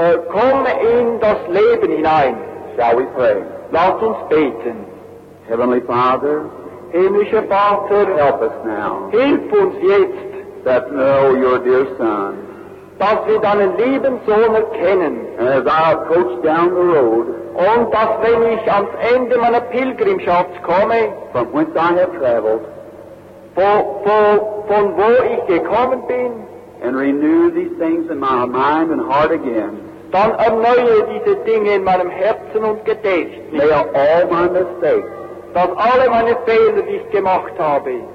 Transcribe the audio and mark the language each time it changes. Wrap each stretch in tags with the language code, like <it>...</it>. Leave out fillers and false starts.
<de>Komm in das Leben hinein.</de> <en>Shall we pray?</en> <de>Lass uns beten.</de> <en>Heavenly Father,</en> <de>himmlischer Vater,</de> <en>help us now.</en> <de>Hilf uns jetzt,</de> <en>that know your dear Son,</en> <de>dass wir deinen lieben Sohn erkennen.</de> <en>And as I approach down the road,</en> <de>Und dass wenn ich ans Ende meiner Pilgrimschaft komme,</de> <en>from whence I have traveled,</en> <de>von wo ich gekommen bin,</de> <en>and renew these things in my mind and heart again,</en> <de>dann erneue diese Dinge in meinem Herzen und Gedächtnis.</de> <en>May all my mistakes,</en> <de>dass alle meine Fehler, die ich gemacht habe,</de>